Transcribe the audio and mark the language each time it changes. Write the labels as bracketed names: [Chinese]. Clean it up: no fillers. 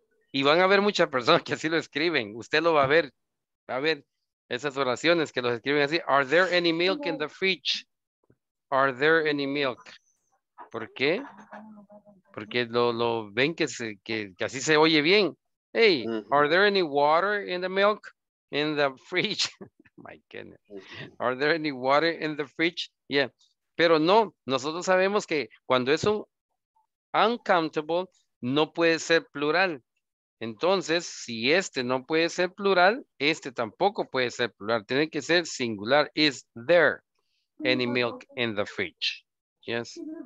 [Spanish] Y van a ver muchas personas que así lo escriben, usted lo va a ver. Esas oraciones que los escriben así. [English] Are there any milk in the fridge? Are there any milk? [Spanish] ¿Por qué? Porque lo ven que así se oye bien. [English] Hey, are there any water in the milk in the fridge? My goodness. Are there any water in the fridge? Yeah. [Spanish] Pero no, nosotros sabemos que cuando es un uncountable, no puede ser plural. Entonces, si este no puede ser plural, este tampoco puede ser plural. Tiene que ser singular. [English] Is there any milk in the fridge? Yes.